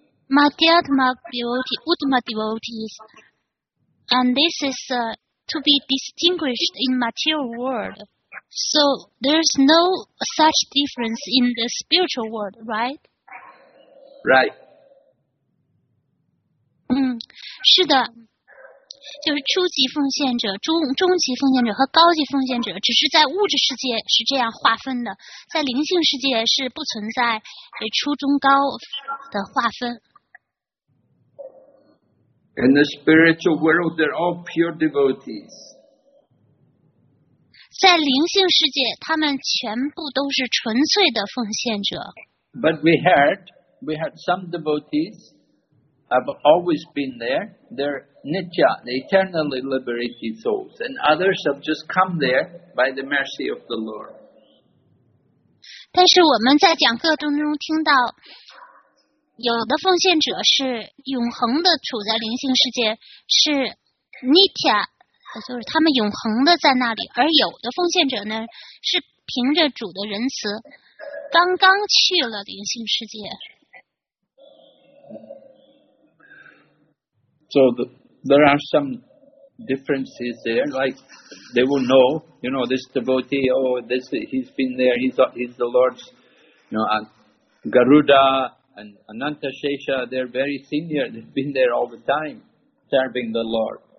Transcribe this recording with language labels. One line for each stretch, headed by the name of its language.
English: Madhyatma devotee, Uttama devotees, and this is to be distinguished in material world. So there's no such difference in the spiritual world, right? Right.
Chinese: 是的，就是初级奉献者、中级奉献者和高级奉献者，只是在物质世界是这样划分的，在灵性世界是不存在初中高的划分。
English: In the spiritual world, they're all pure devotees.
Chinese: 在灵性世界，他们全部都是纯粹的奉献者。
English: But we heard some devotees have always been there. They're nitya, the eternally liberated souls. And others have just come there by the mercy of the Lord.
Chinese: 但是我们在讲课当中听到有的奉献者是永恒的处在灵性世界，是 Nitya， 就是他们永恒的在那里，而有的奉献者呢，是凭着主的仁慈，刚刚去了灵性世界。
English: So there are some differences there, like they will know, you know, this devotee, oh, this, he's been there, he's the Lord's, you know, Garuda, and Ananta Shesha, they're very senior, they've been there all the time serving the Lord.